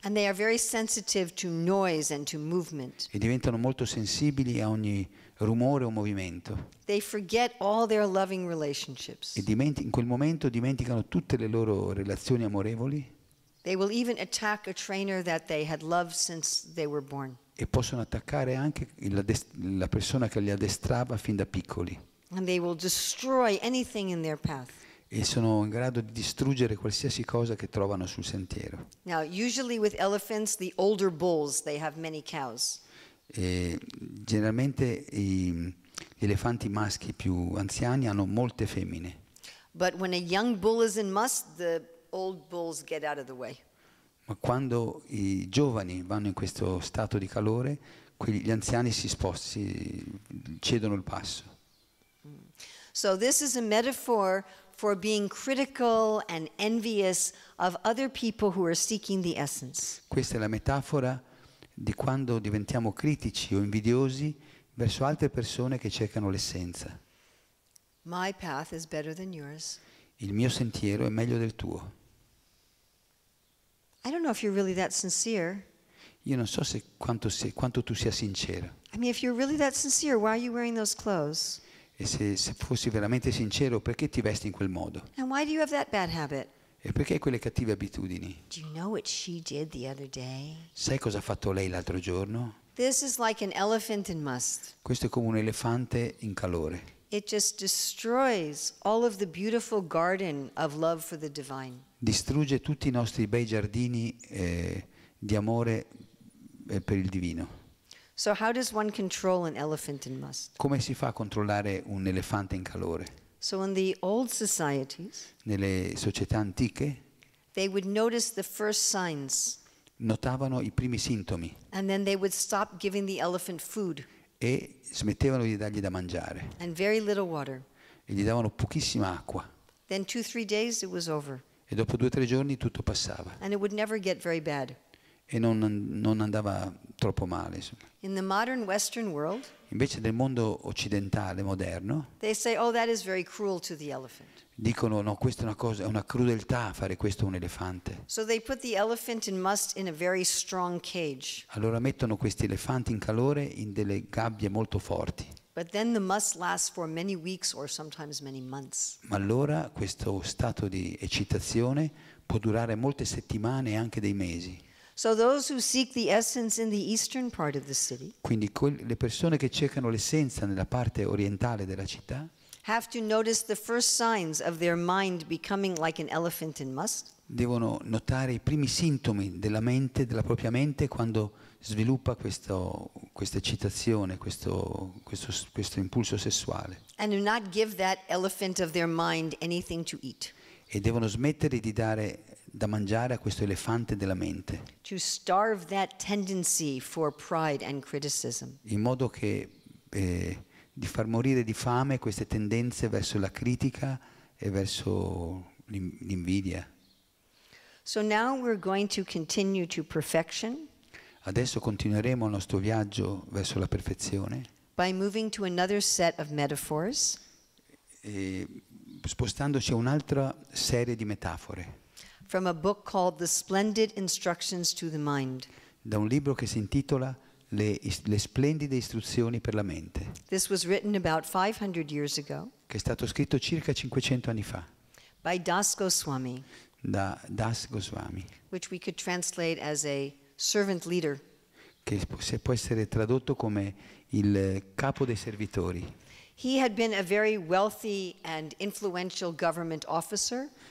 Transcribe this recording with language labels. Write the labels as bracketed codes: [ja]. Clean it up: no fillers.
[en] And they are very sensitive to noise and to movement. [it] E diventano molto sensibili a ogni rumore o movimento. [en] They forget all their loving relationships. [it] E in quel momento dimenticano tutte le loro relazioni amorevoli. [en] They will even attack a trainer that they had loved since they were born. [it] E possono attaccare anche la persona che li addestrava fin da piccoli. [en] And they will destroy anything in their path. [it] E sono in grado di distruggere qualsiasi cosa che trovano sul sentiero. [en] Now, usually with elephants, the older bulls, they have many cows. [it] E generalmente gli elefanti maschi più anziani hanno molte femmine. [en] But when a young bull is in must, the old bulls get out of the way. [it] Ma quando i giovani vanno in questo stato di calore, gli anziani si spostano, cedono il passo. [en] So this is a metaphor for being critical and envious of other people who are seeking the essence. [it] Questa è la metafora di quando diventiamo critici o invidiosi verso altre persone che cercano l'essenza. [en] My path is better than yours. [it] Il mio sentiero è meglio del tuo. [en] I don't know if you're really that sincere. [it] Io non so se quanto tu sia sincero. [en] I mean, if you're really that sincere, why are you wearing those clothes? [it] E se fossi veramente sincero, perché ti vesti in quel modo? [en] And why do you have that bad habit? [it] E perché hai quelle cattive abitudini? [en] Do you know what she did the other day? [it] Sai cosa ha fatto lei l'altro giorno? [en] This is like an elephant in must. [it] Questo è come un elefante in calore. [en] It just destroys all of the beautiful garden of love for the divine. [it] Distrugge tutti i nostri bei giardini di amore per il divino. [en] So how does one control an elephant in must? [it] Come si fa a controllare un elefante in calore? [en] So in the old societies, [it] nelle società antiche, [en] they would notice the first signs. [it] Notavano i primi sintomi. [en] And then they would stop giving the elephant food. [it] E smettevano di dargli da mangiare. [en] And very little water. [it] E gli davano pochissima acqua. [en] Then 2-3 days it was over. [it] E dopo 2-3 giorni tutto passava. [en] And it would never get very bad. [it] E non andava troppo male, insomma. [en] In the modern Western world, [it] invece nel mondo occidentale moderno, [en] they say, oh, that is very cruel to the elephant. [it] Dicono no, questa è una cosa, è una crudeltà fare questo a un elefante. [en] So they put the elephant in must in a very strong cage. [it] Allora mettono questi elefanti in calore in delle gabbie molto forti. [en] But then the must lasts for many weeks or sometimes many months. [it] Ma allora questo stato di eccitazione può durare molte settimane e anche dei mesi. [en] So those who seek the essence in the eastern part of the city, [it] quindi le persone che cercano l'essenza nella parte orientale della città, [en] have to notice the first signs of their mind becoming like an elephant in must. [it] Devono notare i primi sintomi della mente, della propria mente, quando sviluppa questo, questa eccitazione, questo, questo, questo impulso sessuale. [en] And do not give that elephant of their mind anything to eat. [it] E devono smettere di dare da mangiare a questo elefante della mente. [en] To starve that tendency for pride and criticism. [it] In modo che di far morire di fame queste tendenze verso la critica e verso l'invidia. [en] So now we're going to continue to perfection. [it] Adesso continueremo il nostro viaggio verso la perfezione. [en] By moving to another set of metaphors. [it] E spostandoci a un'altra serie di metafore. [en] From a book called The Splendid Instructions to the Mind. [it] Da un libro che si intitola Le splendide istruzioni per la mente. [en] This was written about 500 years ago. [it] Che è stato scritto circa 500 anni fa. [en] By Das Goswami. [it] Da Das Goswami. [en] Which we could translate as a servant leader. [it] Che può essere tradotto come il capo dei servitori. [en] He had been a very wealthy and influential government officer.